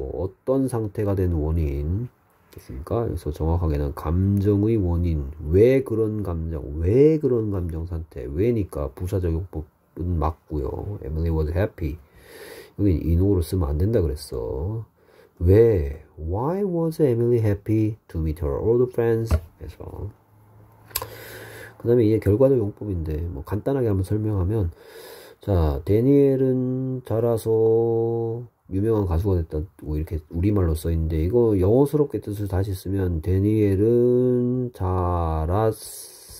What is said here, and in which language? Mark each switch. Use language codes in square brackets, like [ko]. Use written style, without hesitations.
[ko] 어떤 상태가 된 원인 됐습니까? 그래서 정확하게는 감정의 원인 왜 그런 감정 왜 그런 감정 상태 왜니까 부사적 용법은 맞고요. [en] Emily was happy. [ko] 여기 in order 쓰면 안 된다 그랬어. 왜 [en] why was Emily happy to meet her old friends? [ko] 그래서 그 다음에 이게 결과적 용법인데 뭐 간단하게 한번 설명하면 자 데니엘은 자라서 유명한 가수가 됐다고 이렇게 우리말로 써 있는데 이거 영어스럽게 뜻을 다시 쓰면 데니엘은 자랐습니다.